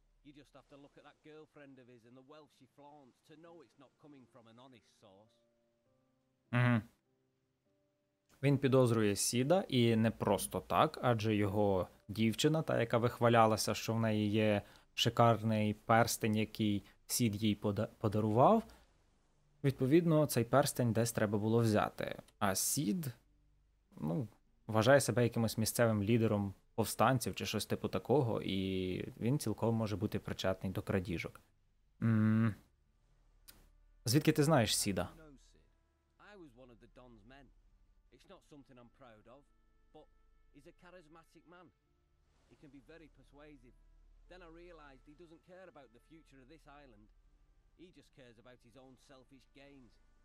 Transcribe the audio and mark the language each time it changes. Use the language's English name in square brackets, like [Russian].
[English] You just have to look at that girlfriend of his and the wealth she flaunts to know it's not coming from an honest source. Угу. [Ukrainian] Він підозрює Сіда, і не просто так, адже його дівчина, та яка вихвалялася, що в неї є шикарний перстень, який Сід їй подарував, відповідно, цей перстень десь треба було взяти. А Сід, ну, вважає себе якимось місцевим лідером повстанців чи щось типу такого, і він цілком може бути причетний до крадіжок. Звідки ти знаєш Сіда? [English] Something I'm proud of, but he's a charismatic man. He can be very persuasive. Then I realized he doesn't care about the future of this island. He just cares about his own selfish gains.